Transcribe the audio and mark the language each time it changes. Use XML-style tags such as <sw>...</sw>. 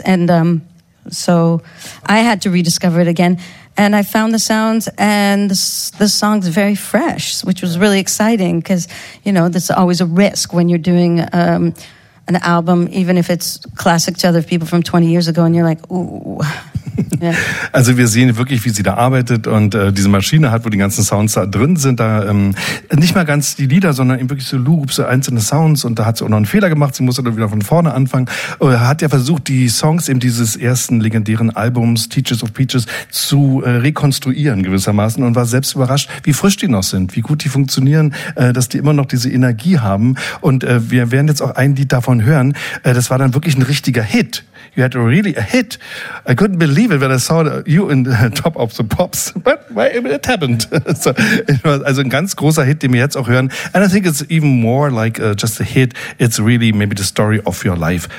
<en>And so I had to rediscover it again. And I found the sounds and the songs very fresh, which was really exciting because, you know, that's always a risk when you're doing an album, even if it's classic to other people from 20 years ago. And you're like, ooh.</en> <de>Also wir sehen wirklich, wie sie da arbeitet und diese Maschine hat, wo die ganzen Sounds da drin sind, da nicht mal ganz die Lieder, sondern eben wirklich so Loops, so einzelne Sounds, und da hat sie auch noch einen Fehler gemacht, sie musste dann wieder von vorne anfangen, hat ja versucht, die Songs eben dieses ersten legendären Albums, Teachers of Peaches, zu rekonstruieren gewissermaßen und war selbst überrascht, wie frisch die noch sind, wie gut die funktionieren, dass die immer noch diese Energie haben, und wir werden jetzt auch ein Lied davon hören, das war dann wirklich ein richtiger Hit.</de> <en>You had really a hit. I couldn't believe it when I saw you in the Top of the Pops. But it happened. So, it was</en> <de>also ein ganz großer Hit, den wir jetzt auch hören.</de> <en>And I think it's even more like just a hit. It's really maybe the story of your life.</en>